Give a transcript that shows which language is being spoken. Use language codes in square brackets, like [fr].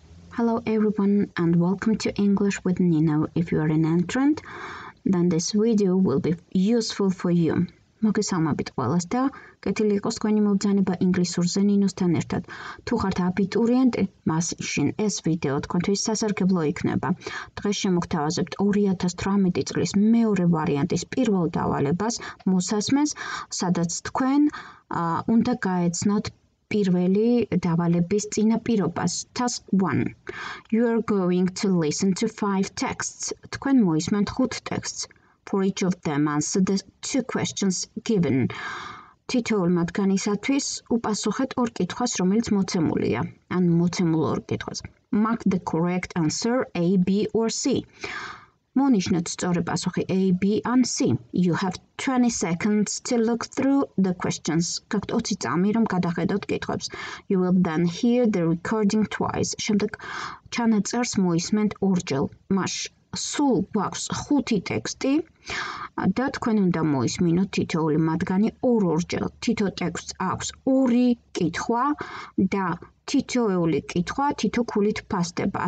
[en] Hello everyone and welcome to English with Nino. If you are an entrant, then this video will be useful for you. [ka] მოგესალმებით ყველას და კეთილი იყოს თქვენი მობრძანება ინგლისურზე ნინოსთან ერთად. თუ ხართ აბიტურიენტი, მაშინ ეს ვიდეო თქვენთვის სასარგებლო იქნება. დღეს შემოგთავაზებთ 2018 წლის მეორე ვარიანტის პირველ დავალებას, მოსასმენს, სადაც თქვენ უნდა გაეცნოთ პირველი დავალების წინაპირობას. [en] Task 1. You are going to listen to 5 texts. [ka] თქვენ მოისმენთ 5 [en] texts. For each of them, answer the 2 questions given. [ka] თითოეულ მათგანისათვის უპასუხეთ 2 კითხვას, რომელიც მოცემულია, ან მოცემულ 2 კითხვას. [en] Mark the correct answer A, B or C. [ka] მონიშნეთ სწორი პასუხი A, B ან C. [en] You have 20 seconds to look through the questions. [ka] Გაქვთ 20 წამი, რომ გადაღედოთ კითხვებს. [en] You will then hear the recording twice. [ka] შემდეგ ჩანაწერს მოისმენთ ორჯერ. Mash. Сул бакс 5 тексти და თქვენ უნდა მოისმინოთ თითოეული მათგანი 2-2 ჯერ. თითო ტექსტს აქვს 2 კითხვა და თითოეული კითხვა თითო ქულით ფასდება.